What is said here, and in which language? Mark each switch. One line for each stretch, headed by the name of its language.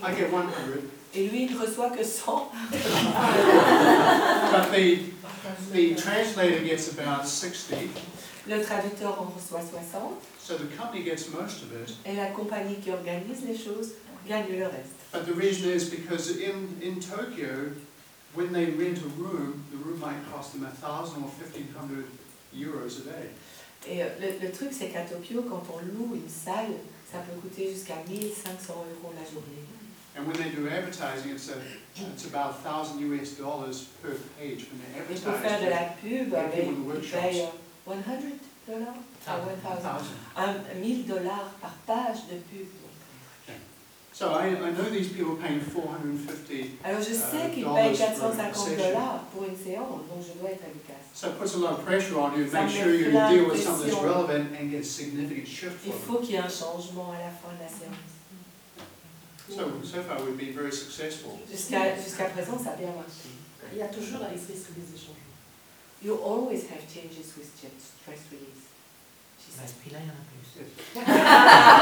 English: I get 100.
French: Et lui, il ne reçoit que 100.
English: But the translator gets about 60.
French: Le traducteur en reçoit 60.
English: So the company gets most of it.
French: Et la compagnie qui organise les choses gagne le reste.
English: But the reason is because in Tokyo, when they rent a room, the room might cost them 1,000 or 1,500 euros a day.
French: Et le truc, c'est qu'à Tokyo, quand on loue une salle, ça peut coûter jusqu'à 1,500 euros la journée.
English: And when they do advertising, it's about $1,000 US per page when they advertise.
French: Et pour faire de la pub, ils payent $100 or $1,000 par page de pub.
English: Yeah. So I know these people are paying $450.
French: Alors je sais qu'ils payent $450 pour une séance, donc je dois être efficace.
English: So it puts a lot of pressure on you to make sure you deal with something that's relevant and get significant shift.
French: Il faut qu'il y ait un changement à la fin de la séance.
English: So far we've been very successful.
French: Jusqu'à présent, ça a bien marché. Il y a toujours des risques des échanges.
English: You always have changes with stress release.
French: Mais puis là, il y en a plus.